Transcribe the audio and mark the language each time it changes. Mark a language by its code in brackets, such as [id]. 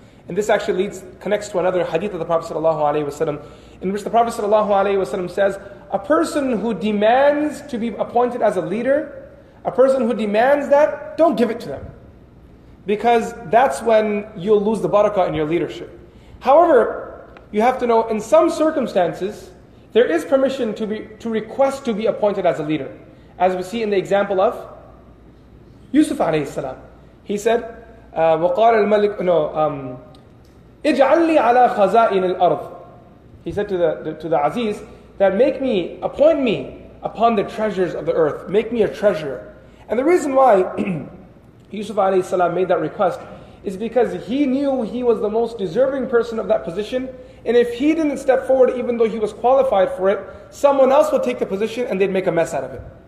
[en] And this actually connects to another hadith of the Prophet ﷺ, in which the Prophet ﷺ says, a person who demands to be appointed as a leader, a person who demands that, don't give it to them. Because that's when you'll lose the barakah in your leadership. However, you have to know, in some circumstances, there is permission to request to be appointed as a leader. As we see in the example of Yusuf alayhi salam. He said, [ar] وَقَالَ الْمَلِكُ اِجْعَلْنِي عَلَىٰ خَزَائِنِ الْأَرْضِ. [en] He said to the Aziz, that appoint me upon the treasures of the earth. Make me a treasurer. And the reason why Yusuf alayhi salam made that request is because he knew he was the most deserving person of that position. And if he didn't step forward, even though he was qualified for it, someone else would take the position and they'd make a mess out of it.